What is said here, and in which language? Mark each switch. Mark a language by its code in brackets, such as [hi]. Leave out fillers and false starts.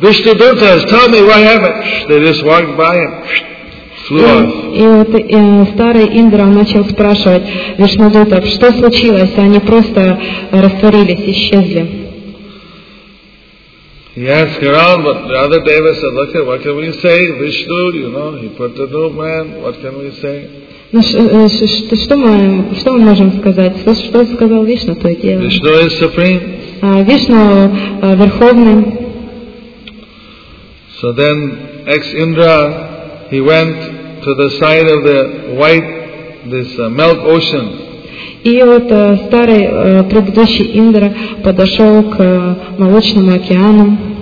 [en] Vishnu Dutas, tell me what happened. They just walked by him. [ru] И старый Индра начал спрашивать Вишну Дутов, что случилось, они просто растворились, исчезли. [en] Yes, Karan, but the other Deva said, look at what can we say? Vishnu, you know, he put the new man, what can we say? [ru] Что мы можем сказать? Что сказал Вишну, то и делаем. [en] Вишну is supreme. [ru] Вишну верховный. [en] So then ex-Indra, he went to the side of the white, this milk ocean. [ru] И вот старый предыдущий Индра подошел к молочному океану.